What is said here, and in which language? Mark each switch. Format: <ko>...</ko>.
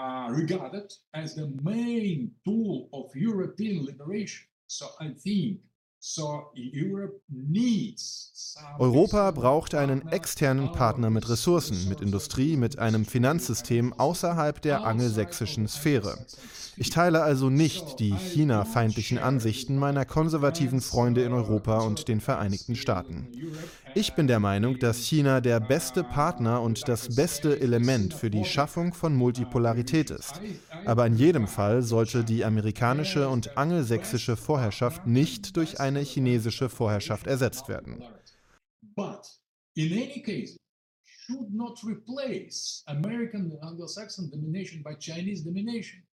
<en>Regarded as the main tool of European liberation. So I think, so Europe needs.</en> <de>Europa braucht einen externen Partner mit Ressourcen, mit Industrie, mit einem Finanzsystem außerhalb der angelsächsischen Sphäre. Ich teile also nicht die China-feindlichen Ansichten meiner konservativen Freunde in Europa und den Vereinigten Staaten. Ich bin der Meinung, dass China der beste Partner und das beste Element für die Schaffung von Multipolarität ist. Aber in jedem Fall sollte die amerikanische und angelsächsische Vorherrschaft nicht durch eine chinesische Vorherrschaft ersetzt werden.</de> <en>But in any case, should not replace American and Anglo-Saxon domination by Chinese domination.</en>